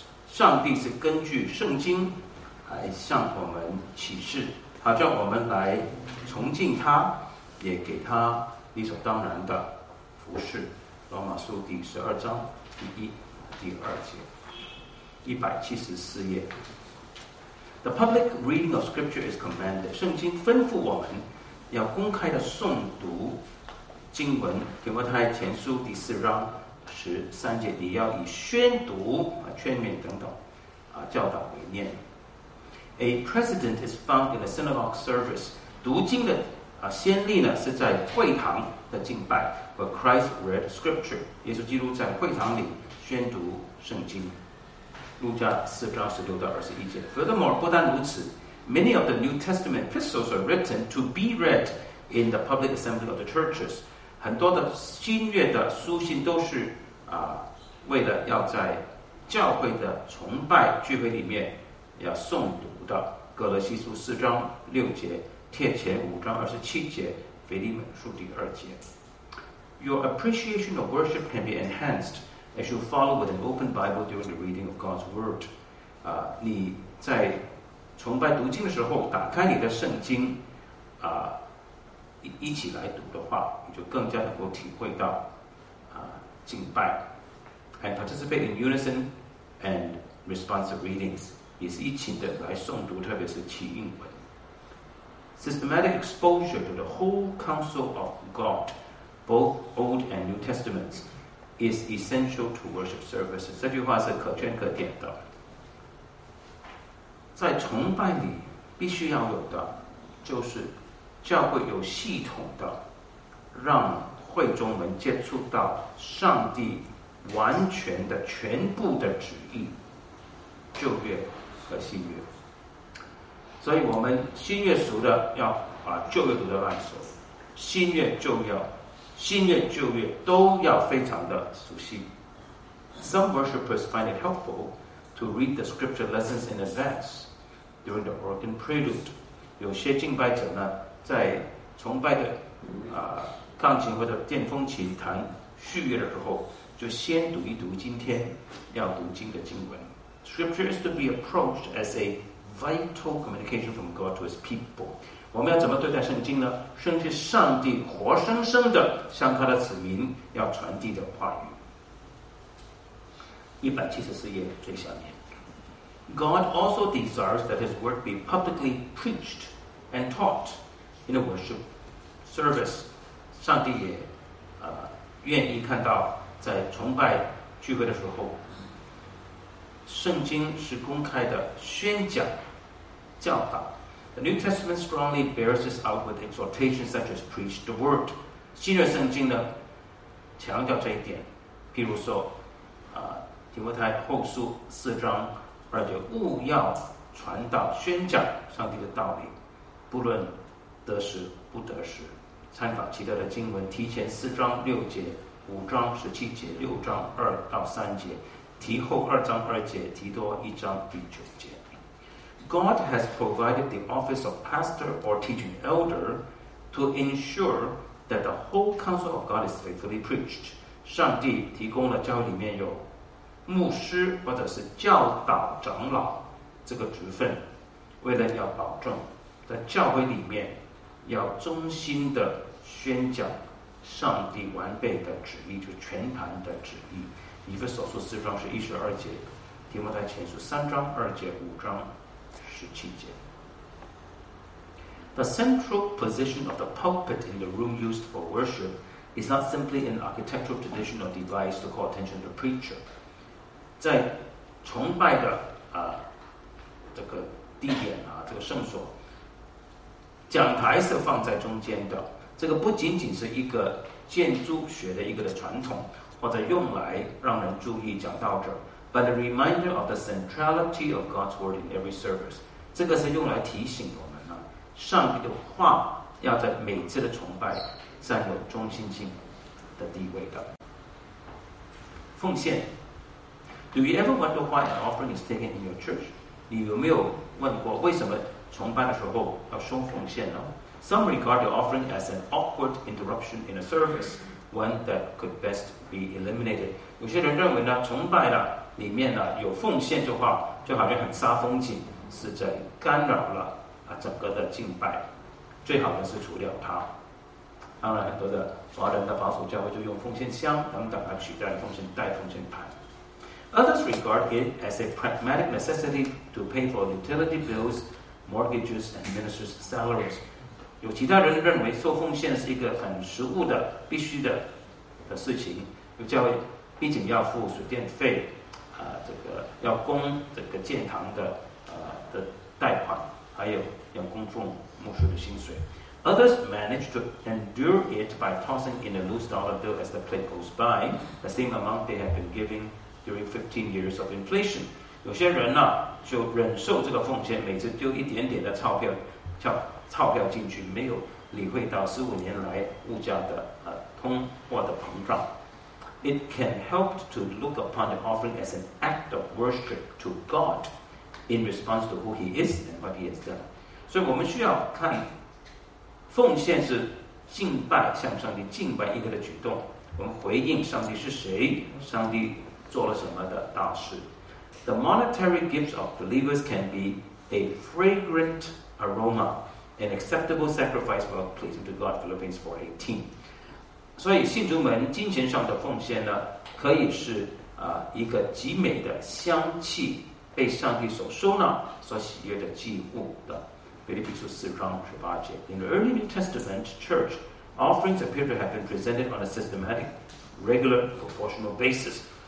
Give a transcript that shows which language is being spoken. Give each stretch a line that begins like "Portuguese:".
Chinese: 上帝是根据圣经来向我们启示，好叫我们来崇敬他，也给他理所当然的服侍。罗马书第十二章第一第二节，174页。
English: The public reading of scripture is commanded.
Chinese: 圣经吩咐我们要公开的诵读经文，提摩太前书第四章十三节，你要以宣读啊、劝勉等等啊教导为念。
English: A precedent is found in the synagogue service.
Chinese: 读经的先例呢是在会堂的敬拜 ，
English: where Christ read scripture.
Chinese: 耶稣基督在会堂里宣读圣经。路加四章十六到二十一节。
English: Furthermore,
Chinese: 不但如此
English: ，many of the New Testament epistles are written to be read in the public assembly of the churches.
Chinese: 很多的新约的书信都是为了要在教会的崇拜聚会里面要诵读的。哥罗西书四章六节，帖前五章二十七节，腓立门书第二节。
English: Your appreciation of worship can be enhanced. As you follow with an open Bible during the reading of God's Word.
Chinese: 你在崇拜读经的时候打开你的圣经一起来读的话，你就更加能够体会到敬拜。
English: And participate in unison and responsive readings.
Chinese: 也是一起的来诵读，特别是起应文。
English: Systematic exposure to the whole counsel of God, both Old and New Testaments,is essential to worship services.
Chinese: 这句话是可圈可点的，在崇拜里必须要有的就是教会有系统的让会众们接触到上帝完全的全部的旨意，旧约和新约。所以我们新约熟的要把旧约读的烂熟，新约就要新月旧月都要非常的熟悉。
English: Some worshippers find it helpful to read the scripture lessons in advance during the organ prelude.
Chinese: 有些敬拜者呢在崇拜的钢琴或者电风琴弹序乐的时候就先读一读今天要读经的经文。
English: Scripture is to be approached as a vital communication from God to his people.
Chinese: 我们要怎么对待圣经呢？圣经是上帝活生生的向他的子民要传递的话语。 174页最下面。
English: God also desires that his word be publicly preached and taught in a worship service.
Chinese: 上帝也愿意看到在崇拜聚会的时候圣经是公开的宣讲教导。
English: The New Testament strongly bears this out with exhortations such as preach the word.
Chinese: 新约圣经呢强调这一点，譬如说提摩太后书四章二节，务要传道宣讲上帝的道理，不论得时不得时。参考其他的经文，提前四章六节，五章十七节，六章二到三节，提后二章二节，提多一章第九节。
English: God has provided the office of pastor or teaching elder to ensure that the whole counsel of God is faithfully preached.
Chinese: 上帝提供了教会里面有牧师或者是教导长老这个职分，为了要保证在教会里面要忠心的宣讲上帝完备的旨意，就是全盘的旨意。以弗所书四章是一十二节，提摩太前书三章二节，五章
English: The central position of the pulpit in the room used for worship is not simply an architectural tradition or device to call attention to the preacher.
Chinese: 在崇拜的这个地点这个圣所，讲台是放在中间的，这个不仅仅是一个建筑学的一个的传统，或者用来让人注意讲道者。
English: But a reminder of the centrality of God's word in every service.
Chinese: 这个是用来提醒我们呢，上帝的话要在每次的崇拜占有中心性的地位的。奉献。
English: Do you ever wonder why an offering is taken in your church?
Chinese: 你有没有问过为什么崇拜的时候要收奉献呢？
English: Some regard the offering as an awkward interruption in a service, one that could best be eliminated.
Chinese: 有些人认为呢，崇拜呢里面呢有奉献的话，就好像很煞风景，是在干扰了啊整个的敬拜，最好的是除掉它。当然，很多的华人的保守教会就用奉献箱等等来取代奉献袋、奉献盘。
English: Others regard it as a pragmatic necessity to pay for utility bills, mortgages, and ministers' salaries.
Chinese: 有其他人认为收奉献是一个很实务的、必须的事情。有教会毕竟要付水电费。这个要供这个建堂的贷款，还有要供奉牧师的薪水。
English: Others manage to endure it by tossing in a loose dollar bill as the plate goes by, the same amount they have been giving during 15 years of inflation.
Chinese: 有些人呢，就忍受这个奉献，每次丢一点点的钞票进去，没有理会到15年来物价的通货的膨胀。
English: It can help to look upon the offering as an act of worship to God in response to who He is and what He has done.
Chinese: 所以我们需要看奉献是敬拜，向上帝敬拜一个的举动，我们回应上帝是谁，上帝做了什么的大事。
English: The monetary gifts of believers can be a fragrant aroma, an acceptable sacrifice for pleasing to God, Philippians 4:18.
Chinese: 所以信徒们金钱上的奉献呢，可以是一个极美的香气，被上帝所收纳所喜悦的祭物的。
English: 腓立比书4:18 In the early New Testament church, offerings appear to have been presented on a systematic, regular, proportional basis.